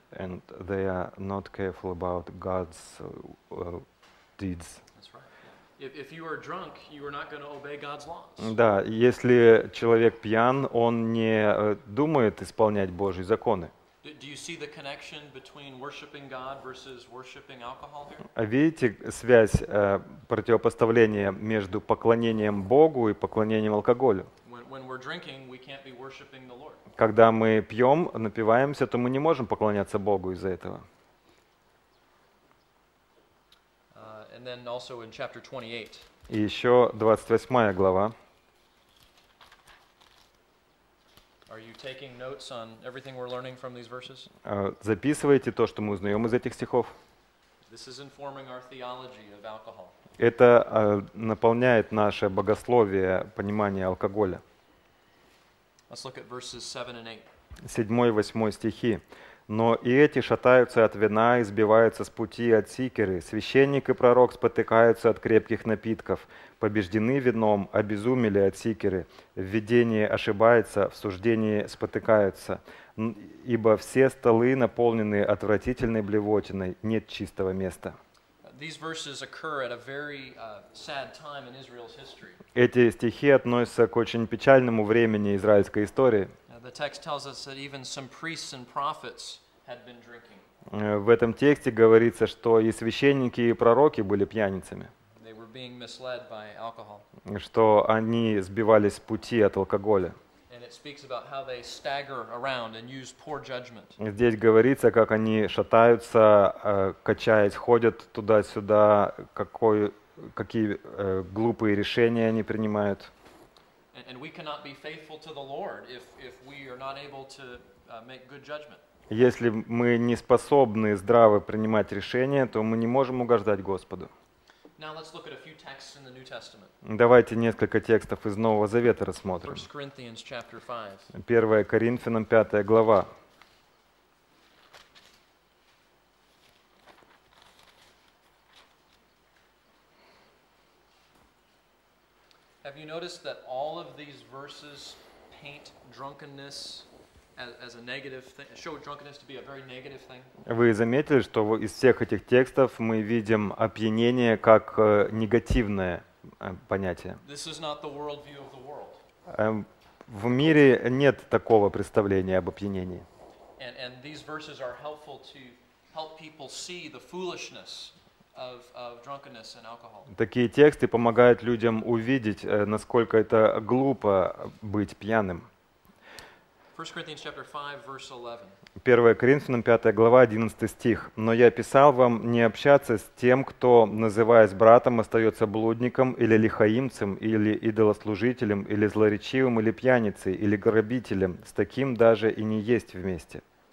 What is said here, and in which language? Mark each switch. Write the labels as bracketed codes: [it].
[en] And they are not careful about God's deeds. That's right. If you are drunk, you are not going to obey God's laws. [ru] Да, если человек пьян, он не думает исполнять Божьи законы. [en] Do you see the connection between worshiping God versus worshiping alcohol here? [ru] Видите связь противопоставления между поклонением Богу и поклонением алкоголю? [en] When we're drinking, we can't be worshiping the Lord. [ru] Когда мы пьем, напиваемся, то мы не можем поклоняться Богу из-за этого. [en] And then also in chapter 28. [ru] И еще 28 глава. [en] Are you taking notes on everything we're learning from these verses? [ru] Записываете то, что мы узнаем из этих стихов? [en] This is informing our theology of alcohol. [ru] Это наполняет наше богословие понимание алкоголя. [en] Let's look at verses 7 and 8. [ru] 7 и 8 стихи. «Но и эти шатаются от вина и сбиваются с пути от сикеры. Священник и пророк спотыкаются от крепких напитков. Побеждены вином, обезумели от сикеры. В видении ошибаются, в суждении спотыкаются. Ибо все столы наполнены отвратительной блевотиной, нет чистого места». [en] These verses occur at a very sad time in Israel's history. [ru] Эти стихи относятся к очень печальному времени израильской истории. [en] The text tells us that even some priests and prophets had been drinking. [ru] В этом тексте говорится, что и священники, и пророки были пьяницами. [en] They were being misled by alcohol. [ru] Что они сбивались с пути от алкоголя. [en] And it speaks about how they stagger around and use poor judgment. [ru] Здесь говорится, как они шатаются, качаясь, ходят туда-сюда, какие глупые решения они принимают. [en] And we cannot be faithful to the Lord if we are not able to make good judgment. [ru] Если мы не способны здраво принимать решения, то мы не можем угождать Господу. [en] Now let's look at a few texts in the New Testament. [ru] Давайте несколько текстов из Нового Завета рассмотрим. [en] 1 Corinthians chapter 5. [ru] 1 Коринфянам 5 глава. [en] Have you noticed that all of these verses paint drunkenness as a negative thing, show drunkenness to be a very negative thing? [ru] Вы заметили, что из всех этих текстов мы видим опьянение как негативное понятие? [en] This is not the world view of the world. [ru] В мире нет такого представления об опьянении. [en] And these verses are helpful to help people see the foolishness of drunkenness and alcohol. [ru] Такие тексты помогают людям увидеть, насколько это глупо быть пьяным. 1 Коринфянам 5 глава 11 стих. «Но я писал вам не общаться с тем, кто, называясь братом, остается блудником или лихаимцем, или идолослужителем, или злоречивым, или пьяницей, или грабителем, с таким даже и не есть вместе».